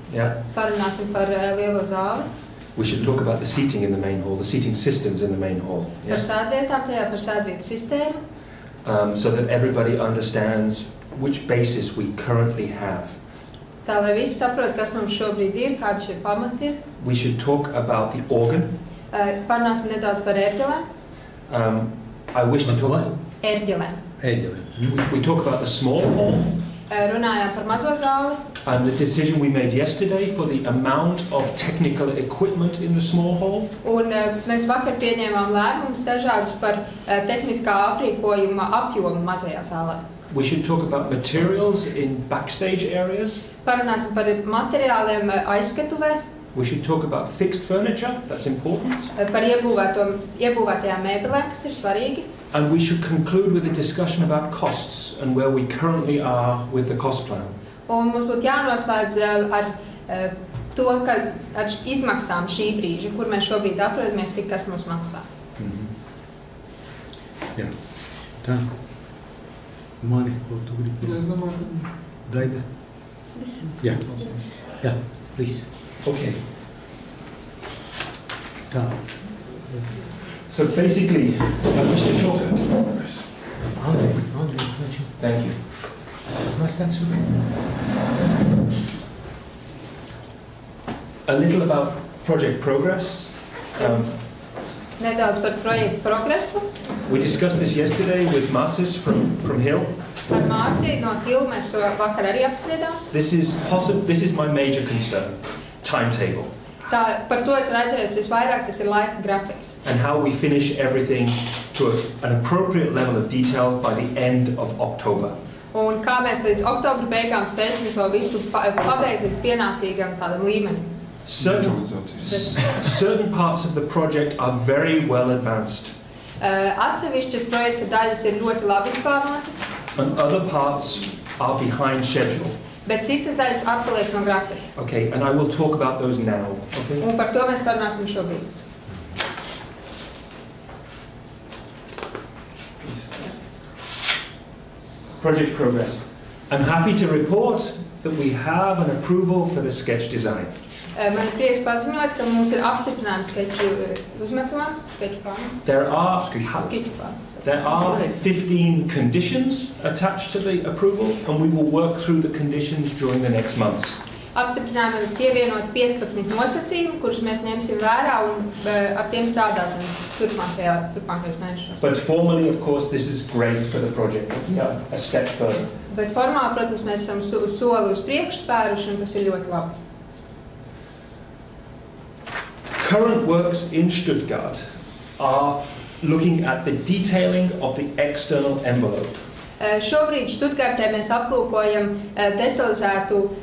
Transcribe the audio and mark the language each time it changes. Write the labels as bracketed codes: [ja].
[en] We should talk about the seating in the main hall, the seating systems in the main hall. So that everybody understands which basis we currently have. [lv] Tā, lai visi saprot, kas mums šobrīd ir, kāds šie pamati ir. [en] We should talk about the organ. [lv] Parunāsim nedaudz par ērģelēm. [en] I wish to talk about [lv] ērģelēm. [en] We talk about the small hall. [lv] Runājām par mazo zāli. [en] And the decision we made yesterday for the amount of technical equipment in the small hall. [lv] Un mēs vakar pieņēmām lēmumus dažādus par tehniskā aprīkojuma apjomu mazajā zālē. [en] We should talk about materials in backstage areas. [lv] Parunāsim par materiāliem aizskatuvē. [en] We should talk about fixed furniture, that's important. [lv] Par iebūvētajām mēbelēm, kas ir svarīgi. [en] And we should conclude with a discussion about costs and where we currently are with the cost plan. [lv] Un mums būtu jānoslēdz ar to, ka ar izmaksām šī brīža, kur mēs šobrīd atrodamies, cik tas mums maksā. Jā, tā. Mani, ko tu gribi? Es domāju, ka... Daida? Viss. Jā. Jā, viss. Ok. Tā. [en] So, basically, I wish to talk about it. Andri. Thank you. [lv] Mēs tāds ir? [en] A little about project progress. [lv] Nedaudz par projektu progresu. [en] We discussed this yesterday with Masis from Hill. [lv] Par Māci no Hill mēs to vakar arī apspriedām. [en] This is my major concern, timetable. [lv] Tā, par to es raizējos visvairāk, tas ir laika grafiks. [en] And how we finish everything to an appropriate level of detail by the end of October. [lv] Un kā mēs līdz oktobra beigām spēsim to visu pabeigt līdz pienācīgam tādam līmenim. [en] Certain parts of the project are very well advanced. [lv] Atsevišķas projekta daļas ir ļoti labi izpārnotas. [en] And other parts are behind schedule. [lv] Bet citas daļas atpaliek no grafika. [en] Okay, and I will talk about those now. Okay? [lv] Un par to mēs parunāsim šobrīd. [en] Project progress. I'm happy to report that we have an approval for the sketch design. [lv] Man ir prieks paziņot, ka mums ir apstiprinājums skeču uzmetumā, skeču plānā. [en] There are 15 conditions attached to the approval and we will work through the conditions during the next months. [lv] Apstiprinājumam ir pievienot 15 nosacījumu, kurus mēs ņemsim vērā un ar tiem strādāsim turpmākajos mēnešos. [en] But formally, of course, this is great for the project. Yeah, a step further. [lv] Bet formāli, protams, mēs esam soli uz priekšu spēruši un tas ir ļoti labi. [en] Current works in Stuttgart are looking at the detailing of the external envelope. [lv] Šobrīd Stuttgartē mēs aplūkojam detalizētu